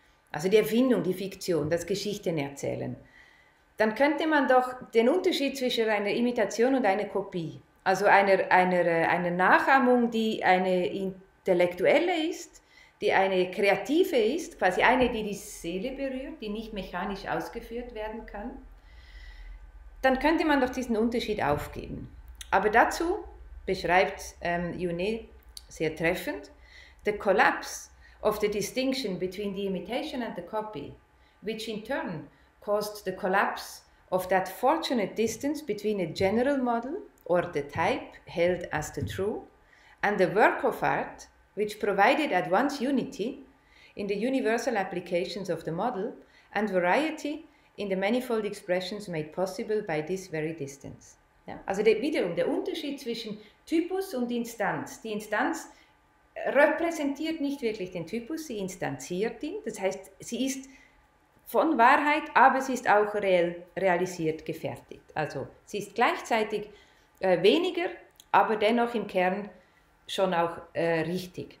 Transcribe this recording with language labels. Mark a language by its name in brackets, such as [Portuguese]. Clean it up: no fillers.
[German] also die Erfindung, die Fiktion, das Geschichtenerzählen, dann könnte man doch den Unterschied zwischen einer Imitation und einer Kopie, also einer Nachahmung, die eine intellektuelle ist, die eine kreative ist, quasi eine, die Seele berührt, die nicht mechanisch ausgeführt werden kann, dann könnte man doch diesen Unterschied aufgeben. Aber dazu beschreibt Junet sehr treffend: [English] The collapse of the distinction between the imitation and the copy, which in turn caused the collapse of that fortunate distance between a general model or the type held as the true and the work of art, which provided at once unity in the universal applications of the model and variety in the manifold expressions made possible by this very distance. [German] Ja? Also wiederum der Unterschied zwischen Typus und Instanz. Die Instanz repräsentiert nicht wirklich den Typus, sie instanziert ihn. Das heißt, sie ist von Wahrheit, aber sie ist auch realisiert, gefertigt. Also sie ist gleichzeitig weniger, aber dennoch im Kern schon auch richtig.